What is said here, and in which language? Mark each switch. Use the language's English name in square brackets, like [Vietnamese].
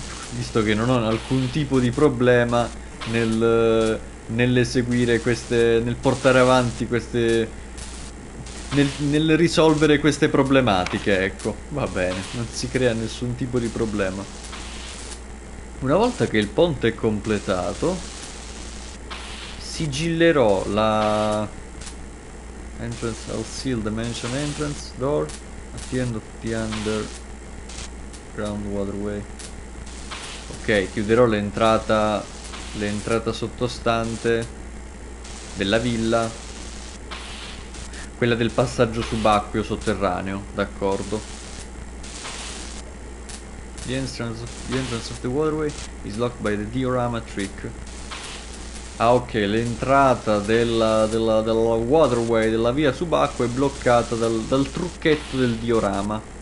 [Italian] Visto che non ho alcun tipo di problema nell'eseguire queste, nel portare avanti queste, nel risolvere queste problematiche, ecco. Va bene, non si crea nessun tipo di problema. Una volta che il ponte è completato, sigillerò la entrance. [English] I'll seal the mansion entrance door at the end of the underground waterway. [Italian] Ok, chiuderò l'entrata sottostante della villa, quella del passaggio subacqueo sotterraneo, d'accordo. [English] The entrance of the waterway is locked by the diorama trick. [Italian] Ah, ok, l'entrata della waterway, della via subacquea, è bloccata dal trucchetto del diorama.